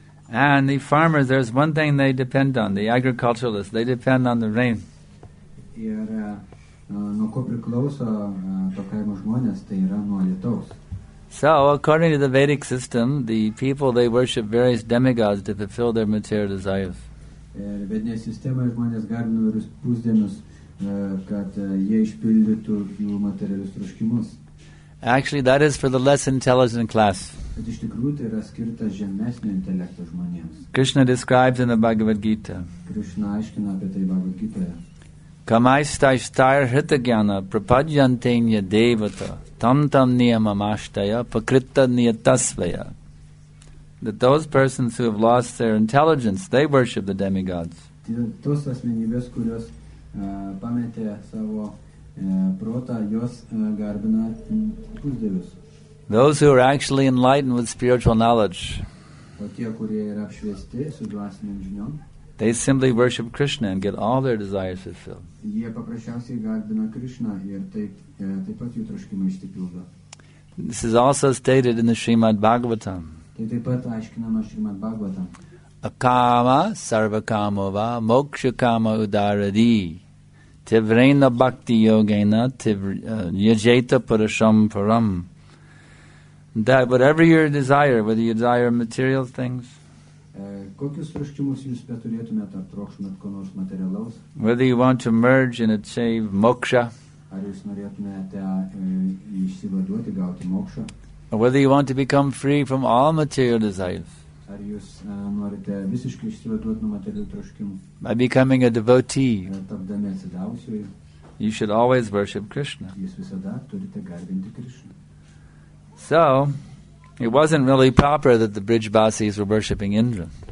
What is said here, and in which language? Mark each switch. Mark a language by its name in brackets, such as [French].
[English] And the farmers, there's one thing they depend on, the agriculturalists, they depend on the rain. [Lithuanian] Ir nuo ko priklauso to kaimo žmonės, tai yra nuo lietaus. [English] So, according to the Vedic system, the people, they worship various demigods to fulfill their material desires. [Lithuanian] Ir vedinės sistemoje žmonės garbino vairius pusdienius, kad jie išpildytų jų materialius troškimus. [English] Actually, that is for the less intelligent class. [Lithuanian] Bet iš tikrųjų tai yra skirta žemesnio intelekto žmonėms. [English] Krishna describes in the Bhagavad Gita. [Lithuanian] Krishna aiškina apie tai Bhagavad Gita. [Sanskrit] Kamaistaishtaira hitagyana prapajyantenya devata tamtam niyamamashtaya pakritta niyatasvaya. [English] That those persons who have lost their intelligence, they worship the demigods. [Lithuanian] Tos asmenybės, kurios pametė savo protą, jos garbina pusdievius. [English] Those who are actually enlightened with spiritual knowledge, [Lithuanian] o tie, kurie yra apšviesti su dvasinėm žiniom, [English] they simply worship Krishna and get all their desires fulfilled. [Lithuanian] Jie paprasčiausiai garbina Krishna ir taip pat jų troškimai išsipildo. [English] This is also stated in the Srimad Bhagavatam. [Lithuanian] Tai taip pat aiškinama Srimad Bhagavatam. [Sanskrit] Akama sarvakamova mokshakama udaradi tivrena bhakti yogena yajeta purusham param. [English] That whatever your desire, whether you desire material things, [Lithuanian] kokius troškimus jūs beturėtumėt, ar trokštumėt ko nors materialaus? [English] Whether you want to merge and achieve moksha? [Lithuanian] Ar jūs norėtumėte išsivaduoti, gauti moksha? [English] Or whether you want to become free from all material desires? [Lithuanian] Ar jūs norite visiškai išsivaduoti nuo materialių troškimų? [English] By becoming a devotee, [Lithuanian] tapdami atsidavusiuoju, [English] you should always worship Krishna. [Lithuanian] Jūs visada turite garbinti Krishna. [English] So, it wasn't really proper that the Brijbasis were worshipping Indra.